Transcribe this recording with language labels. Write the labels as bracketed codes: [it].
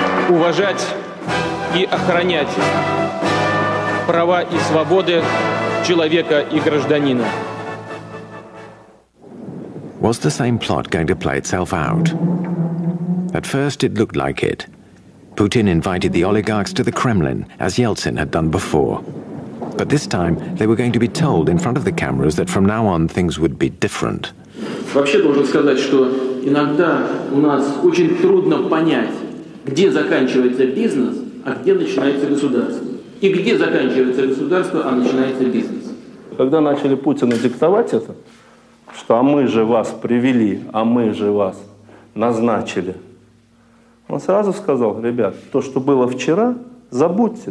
[ru] уважать и охранять права и свободы человека и гражданина. [en] Was the same plot going to play itself out? At first it looked like it. Putin invited the oligarchs to the Kremlin, as Yeltsin had done before. But this time they were going to be told in front of the cameras that from now on things would be different. [ru] Вообще должен сказать, что иногда у нас очень трудно понять, где заканчивается бизнес, а где начинается государство. И где заканчивается государство, а начинается бизнес. Когда начали Путину диктовать это, что «а мы же вас привели, а мы же вас назначили», он сразу сказал: «Ребят, то, что было вчера, забудьте.